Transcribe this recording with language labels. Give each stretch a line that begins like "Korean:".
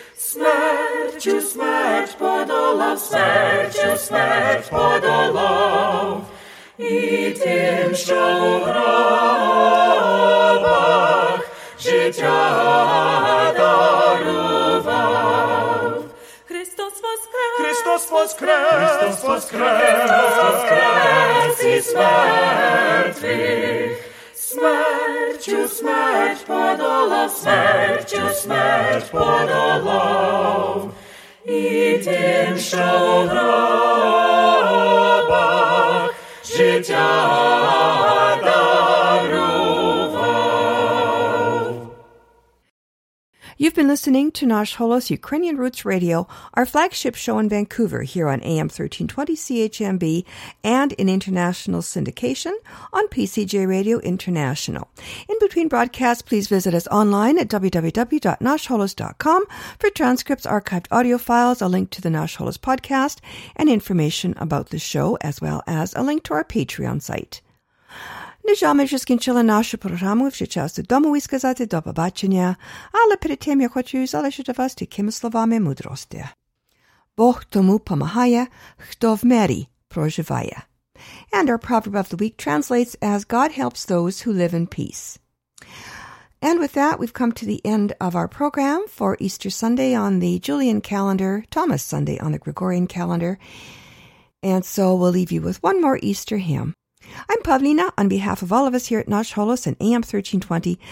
Ukrainian: Смертью смерть подолав! Смертью смерть подолав! І тим, що у гробах життя дарував. Христос воскрес! Христос воскрес! Христос воскрес! Христос воскрес і смертвих! Смертью смерть подолав! Смертью смерть подолав! І тим, що у гробах життя дарував.
English: You've been listening to Nash Holos Ukrainian Roots Radio, our flagship show in Vancouver here on AM 1320 CHMB and in international syndication on PCJ Radio International. In between broadcasts, please visit us online at www.nashholos.com for transcripts, archived audio files, a link to the Nash Holos podcast, and information about the show, as well as a link to our Patreon site.
Ukrainian: Нижами вже скінчили нашу програму, вже час додому і сказати до побачення. Але перед тим я хочу залишити вас такими словами мудрості. Бог тому помагає, хто в мирі проживає.
English: And our proverb of the week translates as God helps those who live in peace. And with that, we've come to the end of our program for Easter Sunday on the Julian calendar, Thomas Sunday on the Gregorian calendar. And so we'll leave you with one more Easter hymn. I'm Pavlina, on behalf of all of us here at Nash Holos and AM 1320.